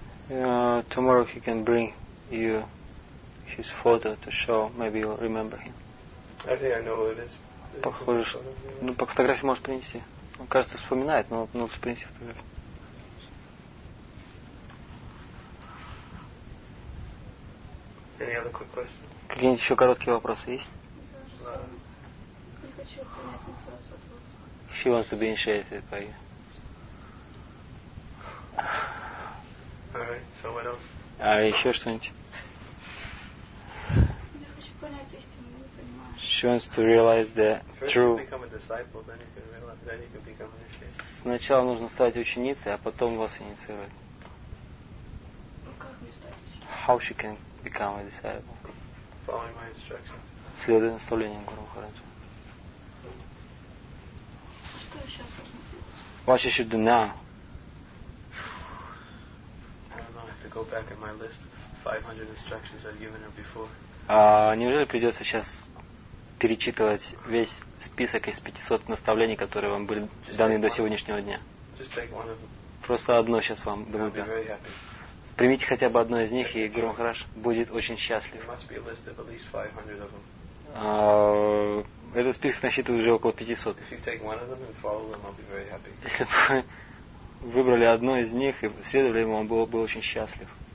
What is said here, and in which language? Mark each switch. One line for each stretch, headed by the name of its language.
English: Tomorrow he can bring you his photo to show. Maybe you'll remember him. I think I know who it is.
Russian: Похоже, что... Ну, по фотографии может принести. Он, кажется, вспоминает, но может принести фотографию.
English: Any other quick questions?
Russian: Какие-нибудь еще короткие вопросы есть?
English: She wants to be initiated by you. Alright, so what else?
Russian: А еще что-нибудь? Я хочу понять истину, не понимаю.
English: She wants to realize the first true. You become a disciple, then you can realize, then you can become initiated.
Russian: Сначала нужно стать ученицей, а потом вас инициировать. Ну как мне стать?
English: How she can become a disciple? Following my instructions.
Russian: Следуя наставлениям Гуру Махараджа.
English: What you should do now? I don't know. I have to go back in my list of 500 instructions I've given her before.
Russian: Неужели придется сейчас перечитывать весь список из 500 наставлений, которые вам были даны до сегодняшнего дня?
English: Just take one of them.
Russian: Просто одно сейчас вам дадут.
English: I'll be very happy.
Russian: Примите хотя бы одно из них, и Гуру Махарадж будет очень счастлив.
English: There must be a list of at least 500 of them.
Russian: Этот список насчитывает уже около 500. Если бы вы выбрали одно из них и следовали ему, он был бы очень счастлив.